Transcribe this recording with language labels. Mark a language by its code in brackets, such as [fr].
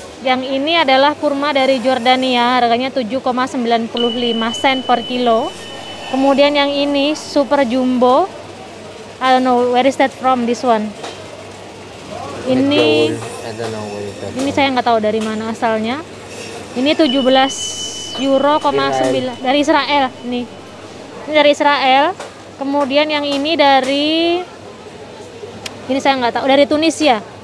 [id] Yang ini adalah kurma dari Jordania, harganya 7,95 sen per kilo. Kemudian yang ini super jumbo. [en] I don't know where is that from this one. [id] Ini [en] I don't know where [id] ini saya nggak tahu dari mana asalnya. Ini 17 euro koma 9 dari Israel nih. Ini dari Israel. Kemudian yang ini dari ini saya nggak tahu dari Tunisia.